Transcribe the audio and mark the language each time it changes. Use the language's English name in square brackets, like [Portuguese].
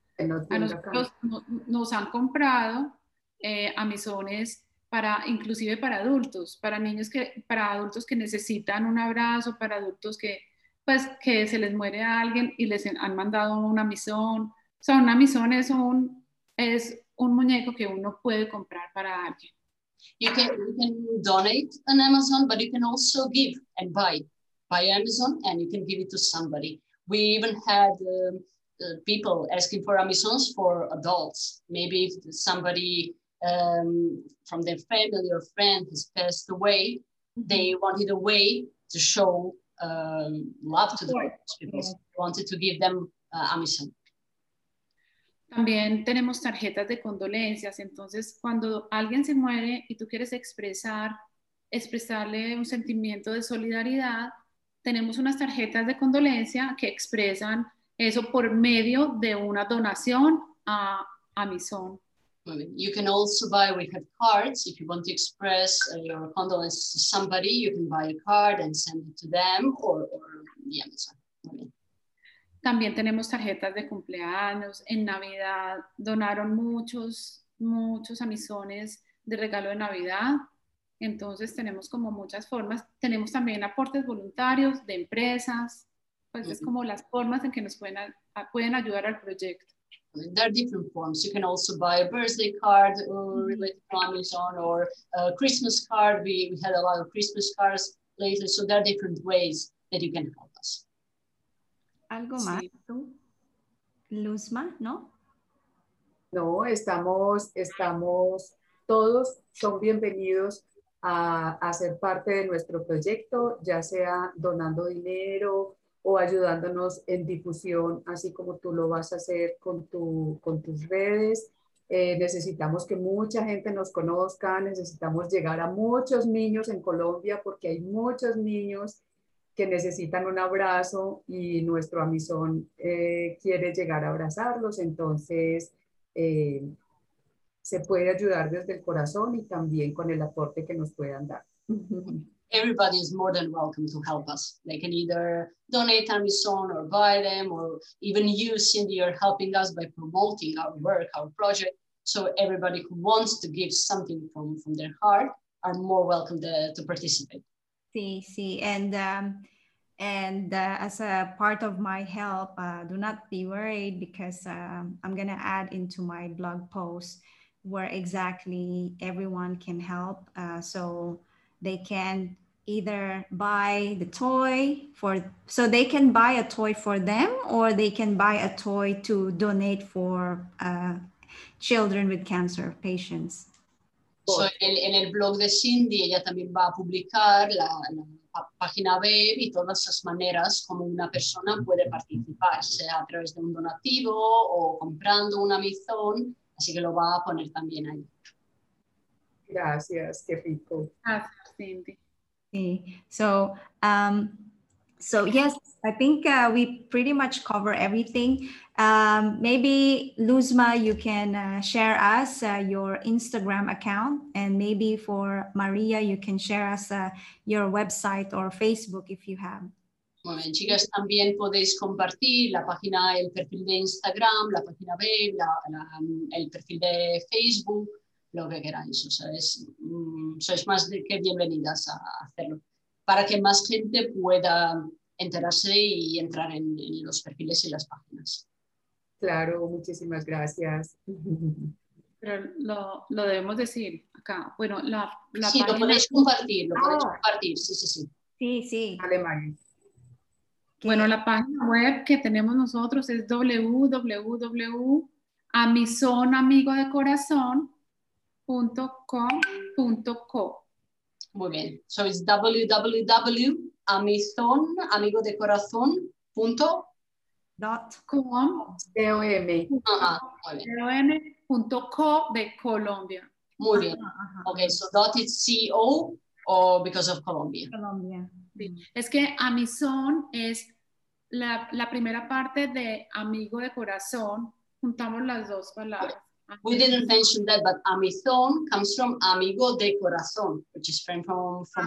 [Spanish] A nosotros nos han comprado Amizones inclusive para adultos, para adultos que necesitan un abrazo, para adultos que se les muere a alguien y les han mandado una Amizón. O sea, una Amizón es un muñeco que uno puede comprar para alguien. [English] You can donate an Amizón, but you can also give and buy Amizón, and you can give it to somebody. We even had people asking for Amizons for adults. Maybe if somebody from their family or friend has passed away, they wanted a way to show love to the people. Yeah. They wanted to give them Amizón. [Spanish] También tenemos tarjetas de condolencias. Entonces, cuando alguien se muere y tú quieres expresarle un sentimiento de solidaridad, tenemos unas tarjetas de condolencia que expresan eso por medio de una donación a Amizón. [English] You can also buy, we have cards. If you want to express your condolences to somebody, you can buy a card and send it to them or the Amazon. [Spanish] También tenemos tarjetas de cumpleaños. En Navidad donaron muchos amizones de regalo de Navidad. Entonces tenemos como muchas formas. Tenemos también aportes voluntarios de empresas. Pues mm-hmm. Es como las formas en que nos pueden ayudar al proyecto. [English] There are different forms. You can also buy a birthday card related to Amazon or a Christmas card. We had a lot of Christmas cards lately. So there are different ways that you can help us. [Spanish] ¿Algo más, Luzma? ¿No? No, estamos todos son bienvenidos a ser parte de nuestro proyecto, ya sea donando dinero o ayudándonos en difusión, así como tú lo vas a hacer con tus redes. Necesitamos que mucha gente nos conozca, necesitamos llegar a muchos niños en Colombia porque hay muchos niños que necesitan un abrazo y nuestro Amizón quiere llegar a abrazarlos. Entonces, se puede ayudar desde el corazón y también con el aporte que nos puedan dar. [English] Everybody is more than welcome to help us. They can either donate Amizón or buy them, or even you, Cindy, are helping us by promoting our work, our project. So everybody who wants to give something from their heart are more welcome to participate. Sí, and as a part of my help, do not be worried because I'm going to add into my blog post where exactly everyone can help. So they can either buy the toy for them, or they can buy a toy to donate for children with cancer patients. [Spanish] So en el blog de Cindy, ella también va a publicar la página web y todas esas maneras como una persona puede participar, sea a través de un donativo o comprando un Amizón, así que lo va a poner también ahí. Gracias, qué rico. Gracias, Cindy. Sí. [English] So yes, I think we pretty much cover everything. Maybe Luzma, you can share us your Instagram account, and maybe for Maria, you can share us your website or Facebook if you have. [Spanish] Muy bien, chicas, también podéis compartir la página, el perfil de Instagram, la página web, el perfil de Facebook, lo que queráis. O sea, sois más que bienvenidas a hacerlo para que más gente pueda enterarse y entrar en los perfiles y las páginas. Claro, muchísimas gracias. Pero lo debemos decir acá. Bueno, la sí, página... lo podéis compartir, sí. Sí, sí. Alemania. Bueno, la página web que tenemos nosotros es www.amizonamigodecorazon.com.co. Muy bien. [English] So it's www.amizonamigodecorazon.com. C-O-M. [Spanish] C-O-M.co de Colombia. Muy bien. Uh-huh. [English] Okay, so dot is C-O or because of Colombia. Colombia. [Spanish] Sí. Es que Amizón es la primera parte de Amigo de Corazón. Juntamos las dos palabras. Okay. [English] We didn't mention that, but Amizón comes from Amigo de Corazón, which is from uh-huh.